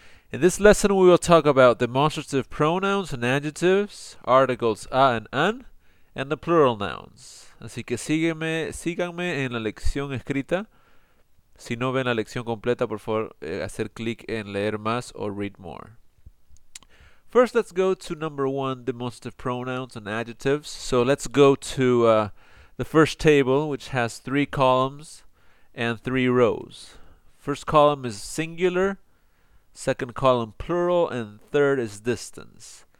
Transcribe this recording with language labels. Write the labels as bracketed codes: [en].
[en] In this lesson we will talk about demonstrative pronouns and adjectives, articles a and an, and the plural nouns. [es] Así que síganme en la lección escrita. Si no ven la lección completa, por favor, hacer clic en leer más o [en] read more. First, let's go to number 1, demonstrative pronouns and adjectives. So let's go to the first table, which has 3 columns and 3 rows. First column is singular, second column plural, and third is distance.